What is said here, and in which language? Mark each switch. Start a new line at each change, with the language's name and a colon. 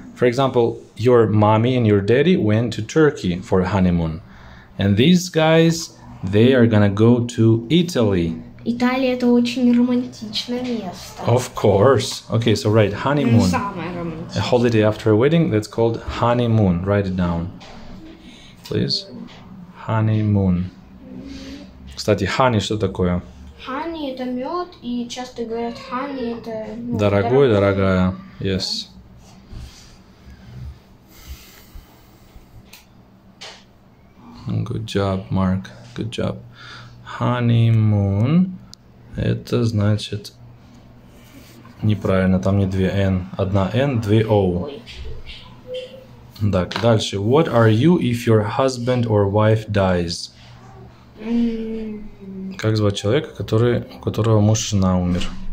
English: For example, your mommy and your daddy went to Turkey for a honeymoon. And these guys, they are gonna go to Italy.
Russian: Италия — это очень романтичное место.
English: Of course. Okay, so write honeymoon.
Russian: Самое
English: a holiday after a wedding, that's called honeymoon. Write it down, please. Honeymoon.
Russian: Кстати, honey, что такое? Honey — это мед, и часто говорят honey — это... Ну, дорогой, дорогая. Yes.
English: Good job, Mark. Good job. Honeymoon.
Russian: Это значит... Неправильно, там не две N. Одна N, две O. Так, дальше.
English: What are you if your husband or wife dies?
Russian: Как звать человека, который, у которого муж, жена умер?